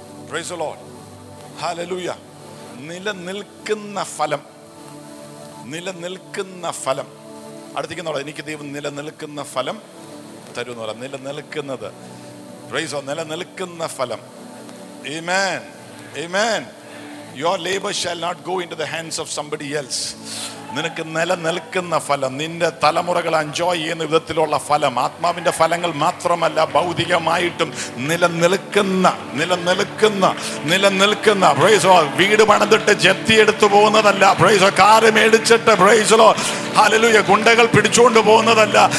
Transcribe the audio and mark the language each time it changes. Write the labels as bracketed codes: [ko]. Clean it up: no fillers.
[en] Praise the lord, ഹല്ലേലൂയ. [ml] നിലനിൽക്കുന്ന ഫലം, നിലനിൽക്കുന്ന ഫലം. അടുത്തേക്കുന്നോളാം, എനിക്ക് ദൈവം നിലനിൽക്കുന്ന ഫലം തരും. നിലനിൽക്കുന്നത്, [en] praise the lord, [ml] നിലനിൽക്കുന്ന ഫലം. ആമേൻ, ആമേൻ. [en] Your labor shall not go into the hands of somebody else. [ml] നിനക്ക് നിലനിൽക്കുന്ന ഫലം, നിന്റെ തലമുറകൾ എൻജോയ് ചെയ്യുന്ന വിധത്തിലുള്ള ഫലം, ആത്മാവിന്റെ ഫലങ്ങൾ മാത്രമല്ല ഭൗതികമായിട്ടും നിലനിൽക്കുന്ന, നിലനിൽക്കുന്ന, നിലനിൽക്കുന്ന. പ്രൈസോ, വീട് പണിതിട്ട് ജപ്തിയെടുത്തു പോകുന്നതല്ല, പ്രൈസോ, കാറ് മേടിച്ചിട്ട് പ്രൈസോ, ഹല്ലേലൂയ, ഗുണ്ടകൾ പിടിച്ചുകൊണ്ട് പോകുന്നതല്ല.